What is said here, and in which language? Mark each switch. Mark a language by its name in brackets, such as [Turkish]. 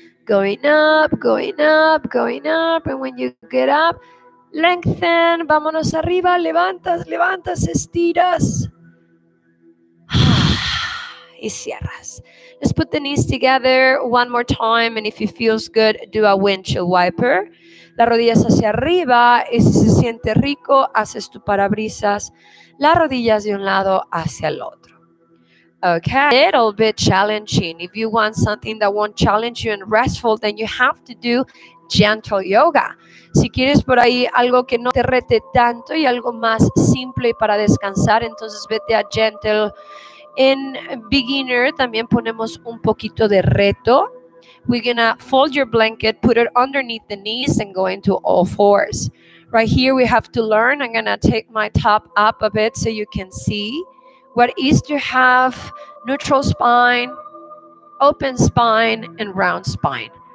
[English] Going up, going up, going up, and when you get up, lengthen, [Spanish] vámonos arriba, levantas, levantas, estiras. Y cierras. [English] Let's put the knees together 1 more time, and if it feels good, do a windshield wiper. [Spanish] Las rodillas hacia arriba, y si se siente rico, haces tu parabrisas. Las rodillas de un lado hacia el otro. [English] Okay, a little bit challenging. If you want something that won't challenge you and restful, then you have to do gentle yoga. [Spanish] Si quieres por ahí algo que no te rete tanto y algo más simple para descansar, entonces vete a gentle. En beginner también ponemos un poquito de reto. [English] We're going to fold your blanket, put it underneath the knees, and go into all fours. Right here, we have to learn. I'm going to take my top up a bit so you can see. What is to have neutral spine, open spine, and round spine.